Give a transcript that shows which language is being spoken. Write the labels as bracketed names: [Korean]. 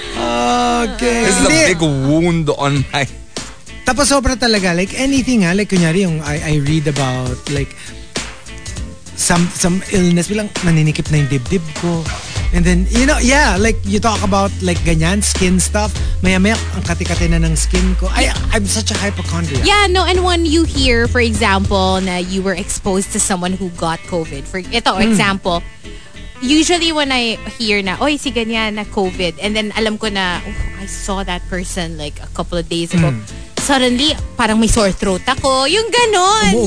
[English] Okay. This is a big wound on my... [Filipino] Tapos sobra talaga. Like anything, ha? [English] Like kunyari yung I read about like some illness. Bilang naninikip na yung dibdib ko. And then, you know, yeah, like you talk about like ganyan, skin stuff. [Filipino] Maya-maya ang kati-kati na ng skin ko. [English] I'm such a hypochondriac. Yeah, no, and when you hear, for example, na you were exposed to someone who got COVID. For ito, example, usually when I hear na, oy, si ganyan na COVID, and then alam ko na, I saw that person like a couple of days ago. Mm. [Filipino] Suddenly, parang may sore throat ako. Yung ganon.